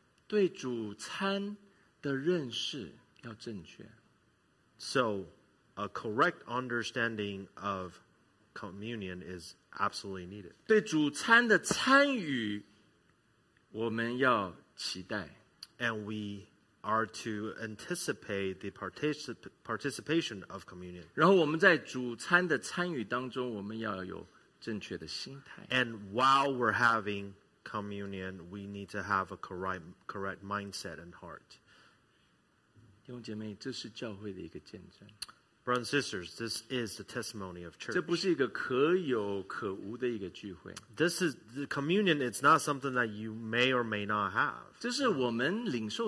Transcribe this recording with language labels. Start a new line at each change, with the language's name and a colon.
Chinese: 对主餐的认识要正确。
English: So a correct understanding of communion is absolutely needed.
Chinese: 对主餐的参与我们要期待。
English: And we are to anticipate the participation of communion.
Chinese: 然后我们在主餐的参与当中我们要有正确的心态。
English: And while we're having communion, we need to have a correct mindset and heart.
Chinese: 弟兄姐妹,这是教会的一个见证。
English: Brothers and sisters, this is the testimony of church.
Chinese: 这不是一个可有可无的一个聚会。
English: This is the communion. It's not something that you may or may not have.